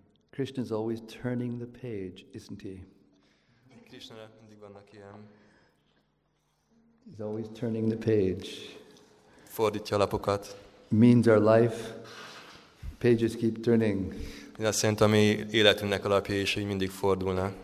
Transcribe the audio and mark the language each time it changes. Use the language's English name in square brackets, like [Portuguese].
[English] Krishna's always turning the page, isn't he? [Hungarian] Krishna mindig vannak ilyen. [English] He's always turning the page. [Hungarian] Fordítja a lapokat. [English] Means our life, pages keep turning. [Hungarian] Ez azt jelenti, a mi életünknek alapja is, hogy mindig fordulna.